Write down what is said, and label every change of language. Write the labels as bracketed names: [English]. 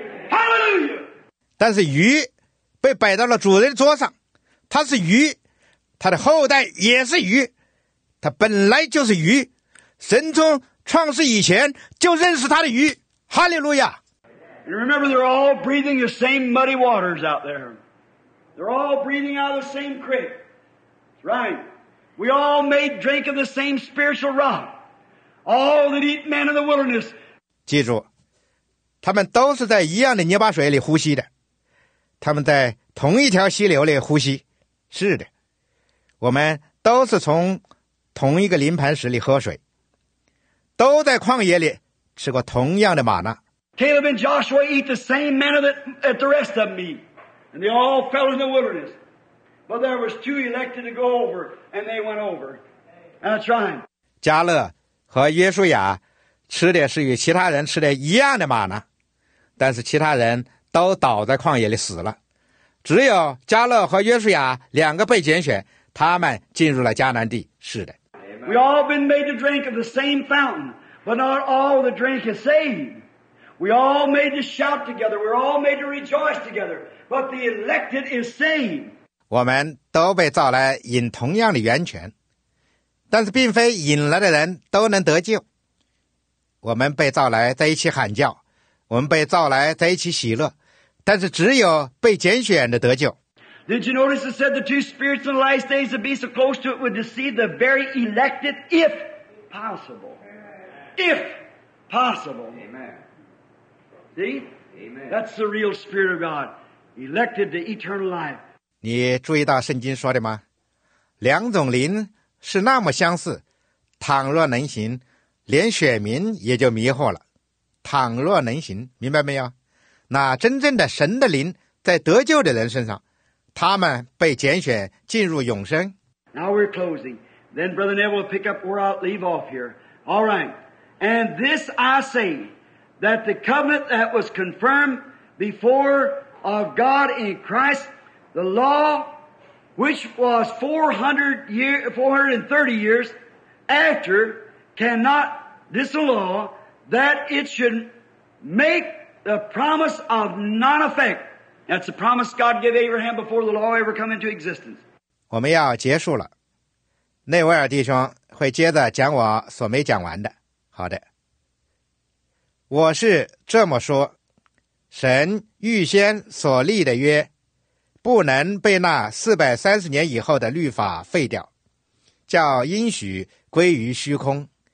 [English] Hallelujah! [Chinese] 但是鱼被摆到了主人的桌上，他是鱼，他的后代也是鱼。他本来就是鱼，神从创世以前就认识他的鱼。哈利路亚！ [English] Remember, they're all breathing the same muddy waters out there. They're all breathing out of the same creek. Right. We all made drink of the same spiritual rock. All that eat man in the wilderness. [Chinese] 记住，他们都是在一样的泥巴水里呼吸的，他们在同一条溪流里呼吸。是的，我们都是从同一个临盘石里喝水，都在旷野里吃过同样的玛纳。 [English] Caleb and Joshua eat the same manna that the rest of me, and they all fell in the wilderness. But there was two elected to go over, and they went over. And that's right. [Chinese] 加勒和约书亚吃的是与其他人吃的一样的玛纳，但是其他人都倒在旷野里死了，只有加勒和约书亚两个被拣选。他们进入了迦南地，是的。 [English] We all been made to drink of the same fountain, but not all the drink is saved. We all made to shout together, we're all made to rejoice together, but the elected is saved. [Chinese] 我们都被召来饮同样的源泉，但是并非引来的人都能得救。我们被召来在一起喊叫，我们被召来在一起喜乐，但是只有被拣选的得救。 [English] Did you notice it said the two spirits in the last days would be so close to it would deceive the very elected if possible. If possible. Amen. See? Amen. That's the real spirit of God. Elected to eternal life. [Chinese] 你注意到圣经说的吗？两种灵是那么相似，倘若能行，连选民也就迷惑了。倘若能行，明白没有？那真正的神的灵在得救的人身上，他们被拣选进入永生。 [English] Now we're closing. Then Brother Neville will pick up where I'll leave off here. All right. And this I say, that the covenant that was confirmed before of God in Christ, the law which was 430 years after cannot disallow that it should make the promise of non-effect. That's the promise God gave Abraham before the law ever come into existence. [Chinese] 我们要结束了。内维尔弟兄会接着讲我所没讲完的。好的。我是这么说，神预先所立的约不能被那430年以后的律法废掉，叫应许归于虚空。